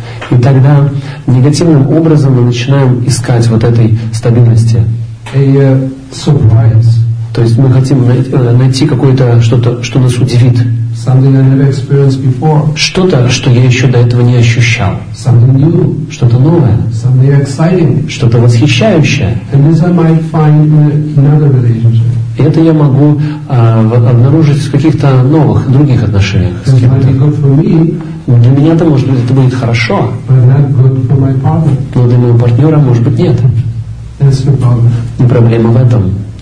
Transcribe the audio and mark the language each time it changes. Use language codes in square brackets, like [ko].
[ru] И тогда негативным образом мы начинаем искать вот этой стабильности. То есть мы хотим найти какое-то что-то, что нас удивит. [en] Something I never experienced before. [ru] Что-то, что я еще до этого не ощущал. [en] Something new. [ru] Что-то новое. [en] Something exciting. [ru] Что-то восхищающее. [en] And this I might find in another relationship. [ru] Это я могу обнаружить в каких-то новых, других отношениях. Для меня это может быть, это будет хорошо. Но для моего партнера, может быть, нет. И проблема в этом.